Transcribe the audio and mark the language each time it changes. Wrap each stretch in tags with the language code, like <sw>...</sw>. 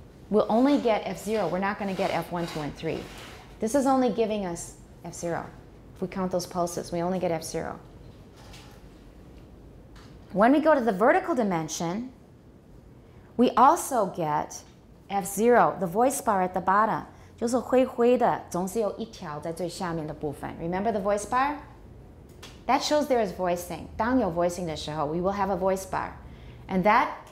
<en>We'll only get F0. We're not going to get F1, 2, and 3. This is only giving us F0. If we count those pulses, we only get F0. When we go to the vertical dimension, we also get F0, the voice bar at the bottom.</en> <zh>就是灰灰的,总是有一条在最下面的部分。</zh> <en>Remember the voice bar? That shows there is voicing.</en> <zh>当有 voicing 的时候,</zh> <en>we will have a voice bar. And that</en>